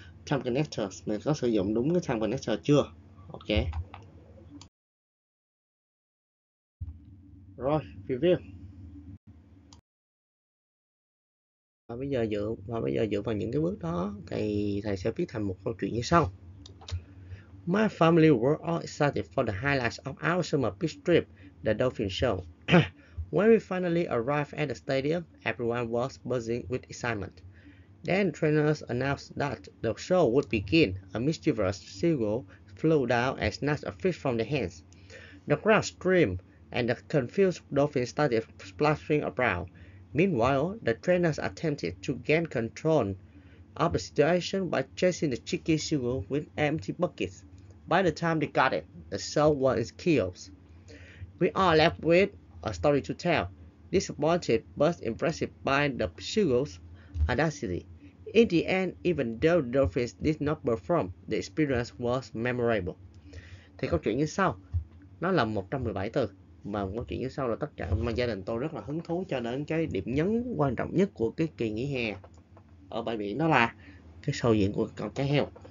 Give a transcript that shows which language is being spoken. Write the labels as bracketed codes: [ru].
[vi] Time connectors, mình có sử dụng đúng cái time connector chưa. Ok, rồi review. Và bây giờ dựa vào những cái bước đó thì thầy sẽ viết thành một câu chuyện như sau. [en] My family were all excited for the highlights of our summer beach trip, the dolphin show. When we finally arrived at the stadium, everyone was buzzing with excitement. Then trainers announced that the show would begin. A mischievous seagull flew down and snatched a fish from their hands. The crowd screamed, and the confused dolphin started splashing around. Meanwhile, the trainers attempted to gain control of the situation by chasing the cheeky seagull with empty buckets. By the time they got it, the show was chaos. We are left with a story to tell, disappointed but impressed by the seagull's audacity. In the end, even though the dolphins did not perform, the experience was memorable. [vi] Thì câu chuyện như sau. Nó là 117 từ. Và câu chuyện như sau là tất cả mà gia đình tôi rất là hứng thú cho đến cái điểm nhấn quan trọng nhất của cái kỳ nghỉ hè ở bãi biển, đó là cái sâu diễn của con cá heo.